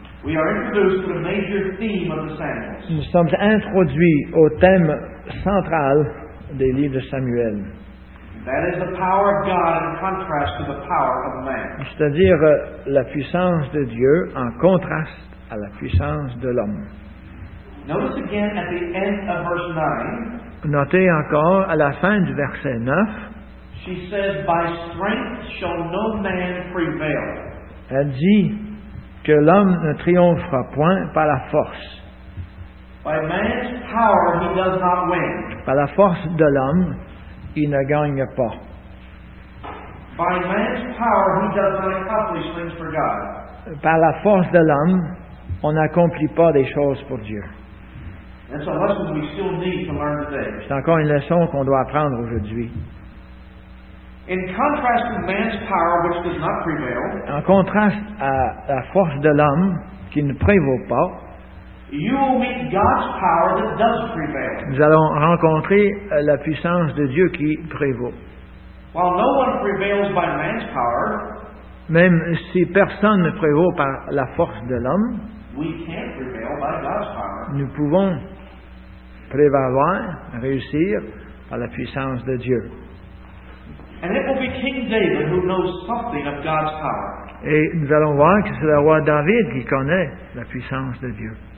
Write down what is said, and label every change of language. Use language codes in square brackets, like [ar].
[en] we are introduced to the major theme of the Samuels. [fr] Nous sommes introduits au thème central des livres de Samuel. [en] That is the power of God in contrast to the power of man. [fr] C'est-à-dire la puissance de Dieu en contraste à la puissance de l'homme. [en] Notice again at the end of verse 9. [fr] Notez encore à la fin du verset 9. [en] She says, "By strength shall no man prevail." [fr] Elle dit que l'homme ne triomphera point par la force. [en] By man's power, he does not win. [fr] Par la force de l'homme, il ne gagne pas. [en] By man's power, he does not accomplish things for God. [fr] Par la force de l'homme, on n'accomplit pas des choses pour Dieu. [en] That's a lesson we still need to learn today. [fr] C'est encore une leçon qu'on doit apprendre aujourd'hui. [en] In contrast to man's power, which does not prevail, [fr] en contraste à la force de l'homme qui ne prévaut pas, [en] you will meet God's power that does prevail. [fr] Nous allons rencontrer la puissance de Dieu qui prévaut. [en] While no one prevails by man's power, [fr] même si personne ne prévaut par la force de l'homme, [en] we can't prevail by God's power. [fr] Nous pouvons prévaloir, réussir par la puissance de Dieu. [en] And it will be King David who knows something of God's power. [fr] Et nous allons voir que c'est le roi David qui connaît la puissance de Dieu.